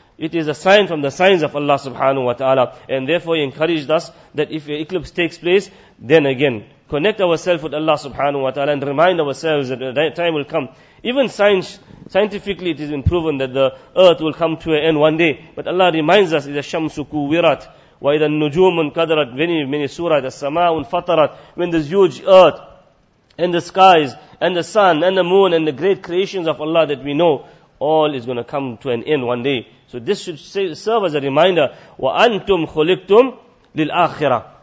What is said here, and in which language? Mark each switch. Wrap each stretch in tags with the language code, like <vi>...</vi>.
<en>It is a sign from the signs of Allah subhanahu wa ta'ala. And therefore he encouraged us that if an eclipse takes place, then again, connect ourselves with Allah subhanahu wa ta'ala and remind ourselves that the time will come. Even scientifically it has been proven that the earth will come to an end one day. But Allah reminds us,</en> <ar>إِذَا الشَّمْسُ كُوِّرَتْ وَإِذَا النُّجُومُ انْكَدَرَتْ.</ar> <en>Many, many surahs,</en> <ar>إِذَا السَّمَاءُ انْفَطَرَتْ.</ar> <en>When this huge earth and the skies and the sun and the moon and the great creations of Allah that we know, all is going to come to an end one day. So this should serve as a reminder.</en> <ar>وَأَنْتُمْ خُلِقْتُمْ لِلْآخِرَةِ.</ar>